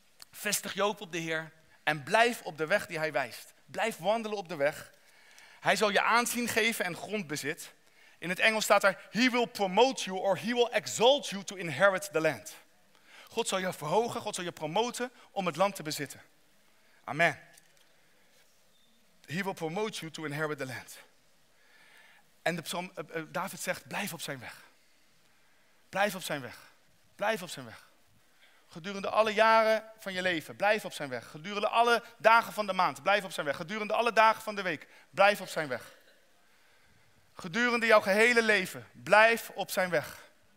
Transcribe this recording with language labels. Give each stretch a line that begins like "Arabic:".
Dutch: Vestig je hoop op de Heer en blijf op de weg die hij wijst. Blijf wandelen op de weg. Hij zal je aanzien geven en grondbezit. In het Engels staat er,
English: he will promote you or he will exalt you to inherit the land.
Dutch: God zal je verhogen, God zal je promoten om het land te bezitten. Amen.
English: He will promote you to inherit the land.
Dutch: En de psalm, David zegt, blijf op zijn weg. Blijf op zijn weg. Blijf op zijn weg. Gedurende alle jaren van je leven, blijf op zijn weg. Gedurende alle dagen van de maand, blijf op zijn weg. Gedurende alle dagen van de week, blijf op zijn weg. Gedurende jouw gehele leven, blijf op zijn weg.